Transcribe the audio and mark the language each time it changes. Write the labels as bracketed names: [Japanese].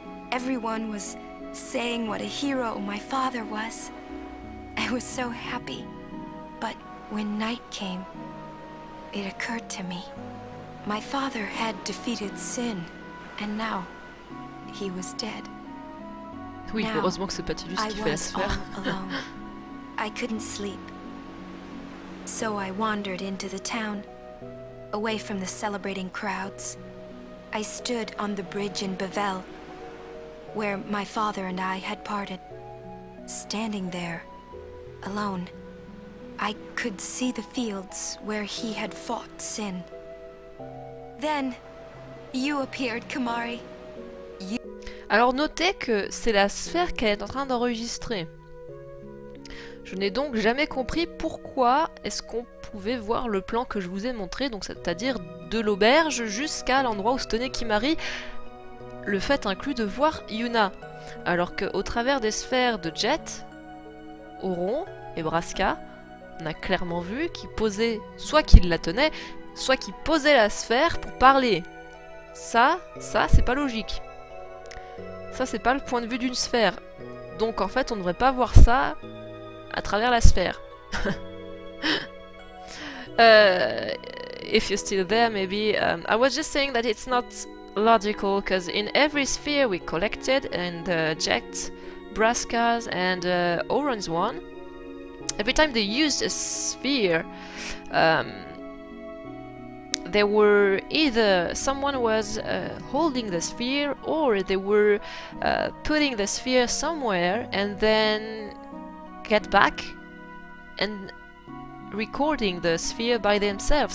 [English] Everyone was saying what a hero my father was. I was so happy. But when night came, it occurred to me. My father had defeated Sin, and now he was dead. [French] Oui, now, heureusement que c'est pas Tidus qui fait à se faire. [English] Alone. I couldn't sleep. So I wandered into the town, away from the celebrating crowds. I stood on the bridge in Bavel, where my father and I had parted. Standing there, alone, I could see the fields where he had fought Sin. Then, you appeared, Kimari. [French] Alors notez que c'est la sphère qu'elle est en train d'enregistrer. Je n'ai donc jamais compris pourquoi est-ce qu'on pouvait voir le plan que je vous ai montré, donc c'est-à-dire de l'auberge jusqu'à l'endroit où se tenait Kimari. Le fait inclut de voir Yuna. Alors qu'au travers des sphères de Jet, Auron et Braska, on a clairement vu qu'il posait, soit qu'il la tenait, soit qu'il posait la sphère pour parler. Ça, c'est pas logique. Ça, c'est pas le point de vue d'une sphère. Donc, en fait, on ne devrait pas voir ça à travers la sphère. [English] if you're still there, maybe. I was just saying that it's not logical, because in every sphere we collected, in the Jet, Braska's, and Auron's one, every time they used a sphere, there were either someone was holding the sphere, or they were putting the sphere somewhere and then get back and recording the sphere by themselves.